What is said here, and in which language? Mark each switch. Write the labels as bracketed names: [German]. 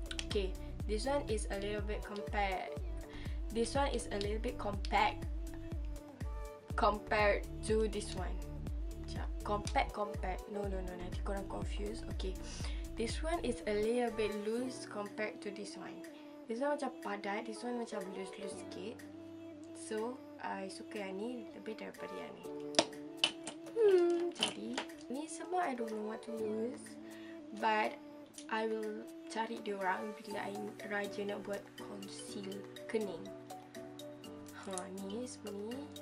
[English] Okay, this one is a little bit compact. This one is a little bit compact compared to this one. No, nanti korang confuse. Okay, this one is a little bit loose compared to this one. This one macam padat, this one macam loose-loose sikit. [Malay] So, I suka yang ni lebih daripada yang ni. Jadi, ni semua I don't know what to use. But, I will cari diorang bila I raja nak buat conceal kening. Ni, sebenarnya.